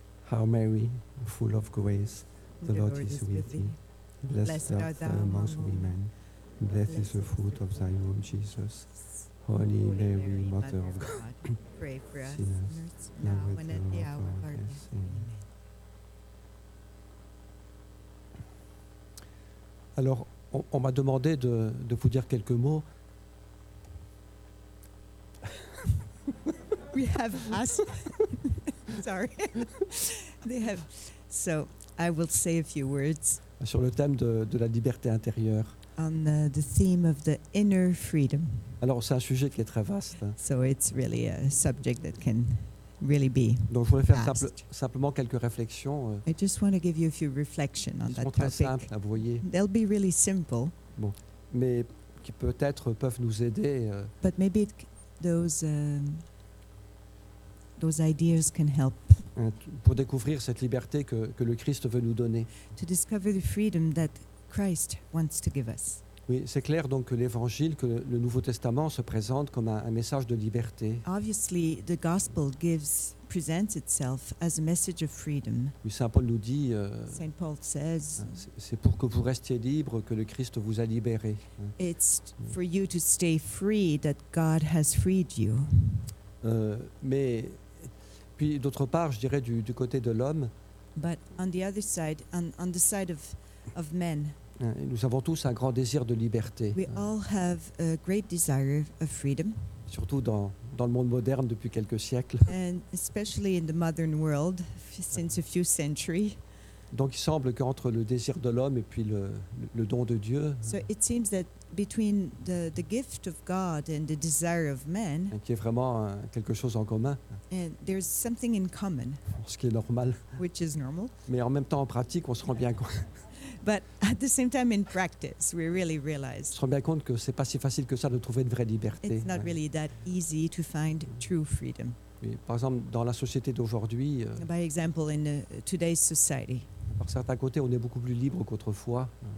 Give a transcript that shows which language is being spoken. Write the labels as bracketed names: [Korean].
[English] Hail Mary, full of grace, the Lord is with thee. Blessed art thou amongst women. Blessed is the fruit of thy womb, Jesus. Holy Mary, Mother of God, pray for us sinners, now and at the hour of our death. Amen. [French] Alors, on m'a demandé de vous dire quelques mots. [English] We have asked. Sorry. They have. So, I will say a few words. [French] Sur le thème de la liberté intérieure. [English] On the theme of the inner freedom. [French] Alors, c'est un sujet qui est très vaste. [English] So it's really a subject that can really be. [French] Donc, je voulais faire simplement quelques réflexions. [English] I just want to give you a few reflections on that topic. [French] Très simples, vous voyez. [English] They'll be really simple. [French] Bon, mais qui peut-être peuvent nous aider. [English] But maybe those ideas can help. [French] Pour découvrir cette liberté que le Christ veut nous donner. [English] To discover the freedom that Christ wants to give us. [French] Oui, c'est clair donc que l'évangile, que le Nouveau Testament se présente comme un message de liberté. [English] Obviously, the gospel presents itself as a message of freedom. [French] Oui, Saint Paul nous dit. [English] Saint Paul says. [French] C'est pour que vous restiez libre que le Christ vous a libéré. [English] It's for you to stay free that God has freed you. [French] Mais puis d'autre part, je dirais du côté de l'homme. [English] But on the other side, on the side of men. [French] Nous avons tous un grand désir de liberté. [English] We all have a great desire of freedom. [French] Surtout dans le monde moderne depuis quelques siècles. [English] And especially in the modern world, since a few centuries. [French] Donc il semble qu'entre le désir de l'homme et puis le don de Dieu. [English] So it seems that between the gift of God and the desire of men. [French] Qui est vraiment quelque chose en commun. [English] And there's something in common. [French] Ce qui est normal. [English] Which is normal. [French] Mais en même temps en pratique, on se rend bien compte. [English] But at the same time, in practice, we really realize. [French] On se rend bien compte que c'est pas si facile que ça de trouver une vraie liberté. [English] It's not really that easy to find true freedom. [French] Oui, par exemple, dans la société d'aujourd'hui. [English] By example, in today's society. [French] Par certains côtés, on est beaucoup plus libre qu'autrefois.